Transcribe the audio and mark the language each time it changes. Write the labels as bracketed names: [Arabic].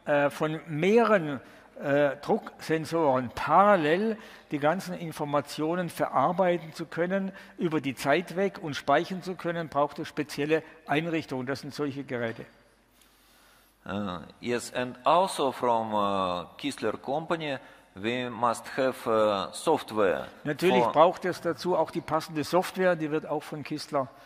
[German] Von mehreren Drucksensoren parallel die ganzen Informationen verarbeiten zu können, über die Zeit weg und speichern zu können, braucht es spezielle Einrichtungen. Das sind solche Geräte. [English] Yes, and also from Kistler Company, we must have software. [German] Natürlich braucht es dazu auch die passende Software, die wird auch von Kistler geliefert.